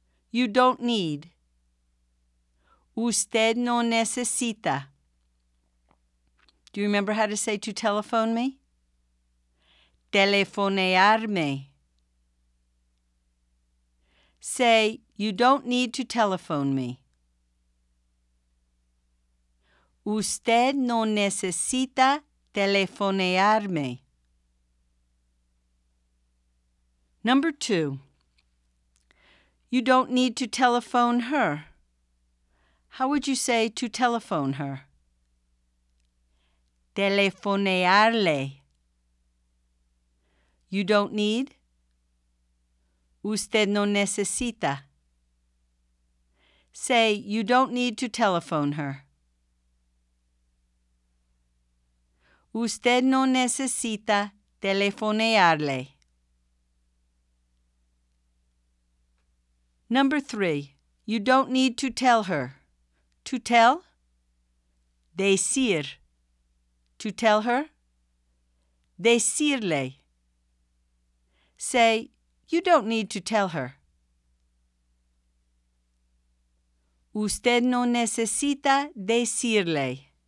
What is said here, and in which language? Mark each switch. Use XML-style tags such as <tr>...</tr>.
<en>You don't need.</en> <es>Usted no necesita.</es> <en>Do you remember how to say to telephone me? Telefonearme. Say, you don't need to telephone me.</en> <es>Usted no necesita telefonearme.</es> <en>Number 2. You don't need to telephone her. How would you say to telephone her?</en> <es>Telefonearle.</es> <en>You don't need.</en> <es>Usted no necesita.</es> <en>Say, you don't need to telephone her.</en> <es>Usted no necesita telefonearle.</es> <en>Number 3. You don't need to tell her. To tell? Decir. To tell her? Decirle. Say, you don't need to tell her.</en> <es>Usted no necesita decirle.</es>